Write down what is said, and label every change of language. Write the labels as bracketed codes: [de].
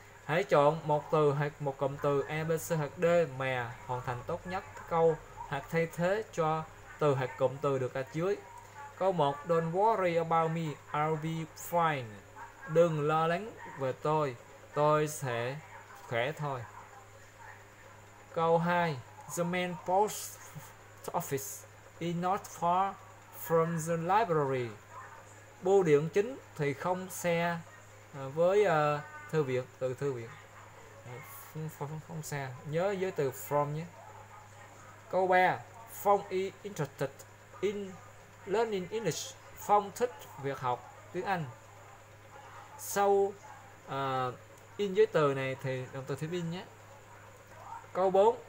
[vi] Hãy chọn một từ hoặc một cụm từ A, B, C hoặc D mà hoàn thành tốt nhất câu hoặc thay thế cho từ hoặc cụm từ được ở dưới. Câu 1. [en] Don't worry about me, I'll be fine. [vi] Đừng lo lắng về tôi sẽ khỏe thôi. Câu 2. [en] The main post office is not far from the library. [vi] Bưu điện chính thì không xa với thư viện, từ thư viện. Không xa, nhớ với từ from nhé. Câu 3. [en] Phong is interested in learning English. [vi] Phong thích việc học tiếng Anh. Sau in với từ này thì động từ thêm in nhé. Câu 4.